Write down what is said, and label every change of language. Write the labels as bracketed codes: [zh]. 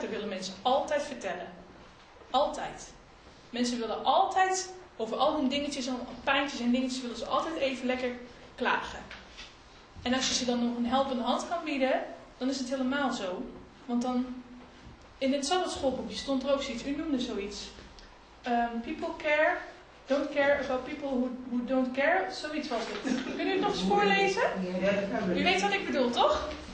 [nl] Dan willen mensen altijd vertellen. Altijd. Mensen willen altijd over al hun dingetjes, pijntjes en dingetjes, willen ze altijd even lekker klagen. En als je ze dan nog een helpende hand kan bieden, dan is het helemaal zo. Want dan, in het Sabbatschoolboekje stond er ook zoiets, u noemde zoiets. [en] People care, don't care about people who don't care. [nl] Zoiets was het. Kunnen u het nog eens voorlezen? U weet wat ik bedoel, toch?